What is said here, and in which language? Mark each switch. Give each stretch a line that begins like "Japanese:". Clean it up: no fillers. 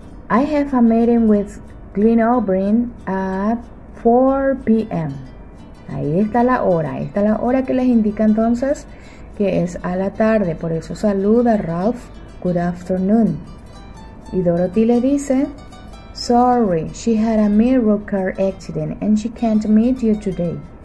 English: I have a meeting with Glenn O'Brien at 4 p.m.
Spanish: Ahí está la hora, ahí está la hora que les indica entonces que es a la tarde. Por eso saluda Ralph,
English: good afternoon.
Spanish: Y Dorothy le dice,
English: sorry, she had a mirror car accident and she can't meet you today.